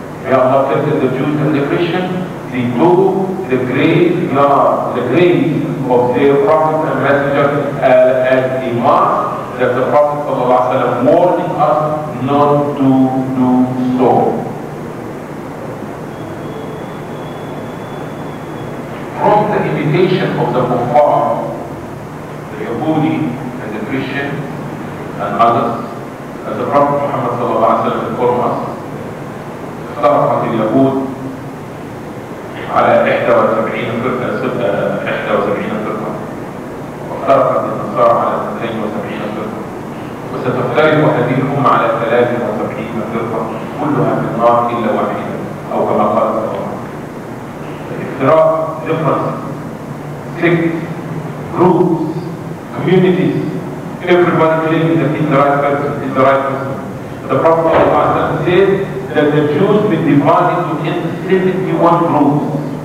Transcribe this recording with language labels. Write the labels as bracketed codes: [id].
[ar] يا الله كيف [en] the Jews and the Christians, they took the graveyard, the graves of their prophets and messengers as a mosque that the Prophet صلى الله عليه وسلم warning us not to do so. From the imitation of the kuffar, the Yahudi, Christian and others, as the Prophet Muhammad صلى الله عليه وسلم informs us, [ar] اختلفت اليهود على 71 فرقة، 71 فرقة، واختلفت النصارى على 72 فرقة، وستختلف هذه الأمة على 73 فرقة، كلها في النار إلا واحدة، أو كما قال صلى الله عليه وسلم. [en] الافتراق difference, sects, groups, communities, everybody claims that he's the right person, he's the right person. The Prophet said, that the Jews be divided into 71 groups.